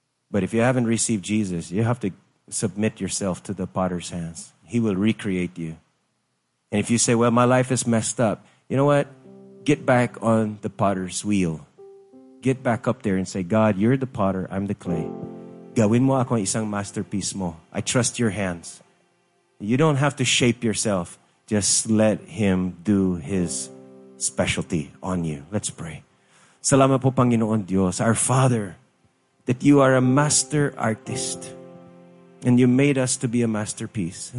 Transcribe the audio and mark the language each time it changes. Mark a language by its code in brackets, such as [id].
[en] But if you haven't received Jesus, you have to submit yourself to the potter's hands. He will recreate you. And if you say, well, my life is messed up, you know what? Get back on the potter's wheel. Get back up there and say, God, you're the potter, I'm the clay. [tl] Gawin mo ako isang masterpiece mo. [en] I trust your hands. You don't have to shape yourself. Just let him do his specialty on you. Let's pray. [tl] Salamat po Panginoon Diyos, [en] our Father, that you are a master artist and you made us to be a masterpiece.